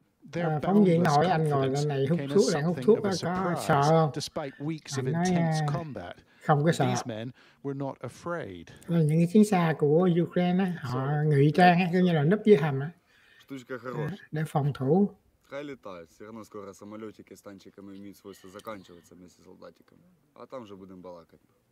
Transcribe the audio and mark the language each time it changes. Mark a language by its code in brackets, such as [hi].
[en] Their boundless confidence came as something of a surprise, despite weeks of intense combat. [vi] Không có sợ. [en] These men were not afraid. [vi] Là những chiến xa của Ukraine, họ ngụy trang, coi như là núp dưới hầm, để phòng thủ. [uk] Хай літають, все одно скоро самолітики з танчиками вміють свойство закінчуватися вместе з солдатиками. А там вже будемо балакати.